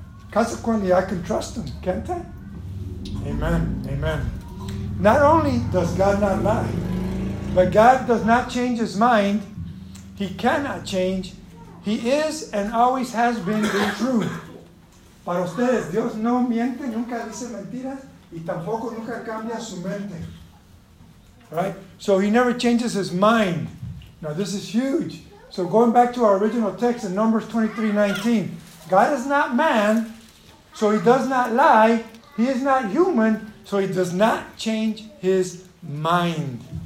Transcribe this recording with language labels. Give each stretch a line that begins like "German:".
English: Consequently, I can trust him, can't I? Amen. Amen. Not only does God not lie, but God does not change his mind. He cannot change. He is and always has been the truth.
Spanish: Para ustedes, Dios no miente, nunca dice mentiras, y tampoco nunca cambia su mente.
English: Right? So he never changes his mind. Now this is huge. So going back to our original text in Numbers 23:19, God is not man So he does not lie. He is not human. So he does not change his mind.